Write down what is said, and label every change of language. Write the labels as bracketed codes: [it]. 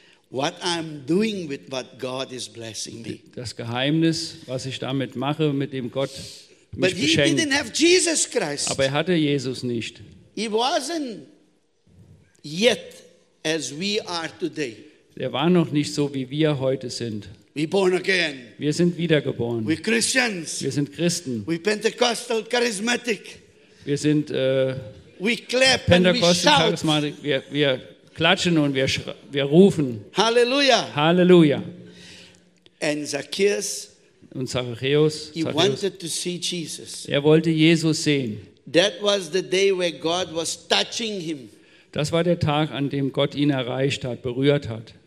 [en] What I'm doing with what God is blessing me. [de] Das Geheimnis, was ich damit mache, mit dem Gott mich beschenkt. [en] But he didn't have Jesus Christ. [de] Aber er hatte Jesus nicht. [en] He wasn't yet as we are today. [de] Er war noch nicht so, wie wir heute sind. [en] We're born again. [de] Wir sind wiedergeboren. [en] We're Christians. [de] Wir sind Christen. [en] We're Pentecostal charismatic. [de] Wir sind [en] we clap Pentecostal and we shout. [de] Wir klatschen und wir rufen. [en] Halleluja. [de] Halleluja. [en] And Zacchaeus, [de] und Zacchaeus. [en] He wanted to see Jesus. [de] Er wollte Jesus sehen. [en] That was the day where God was touching him. [de] Das war der Tag, an dem Gott ihn erreicht hat, berührt hat.